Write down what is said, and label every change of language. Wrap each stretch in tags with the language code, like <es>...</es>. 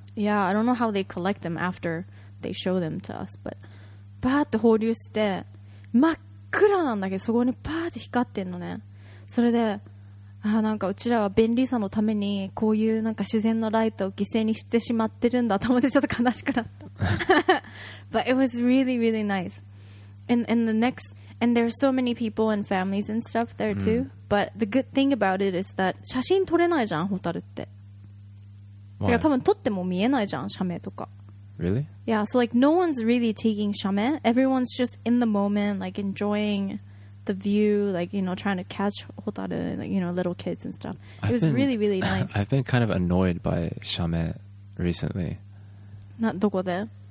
<en>Yeah, I don't know how they collect them after they show them to us.</en> <ja>But バーって放流して真っ暗なんだけど、そこにバーって光ってんのね。それで、あ、なんかうちらは便利さのためにこういうなんか自然のライトを犠牲にしてしまってるんだと思って、ちょっと悲しくなった。</ja> <en>But it was really, really nice. And the next, and there's so many people and families and stuff there too. But the good thing about it is that</en> <ja>写真撮れないじゃん、ホタルって。</ja> <en>Why?</en> <ja>多分撮っても見えないじゃん、シャメとか。</ja> <en>Really? Yeah, so like no one's really taking shame. Everyone's just in the moment, like enjoying the view, like, you know, trying to catch ホタル, like, you know, little kids and stuff. It was really, really nice. I've been kind of annoyed by shame recently.</en> <ja>どこで?</ja>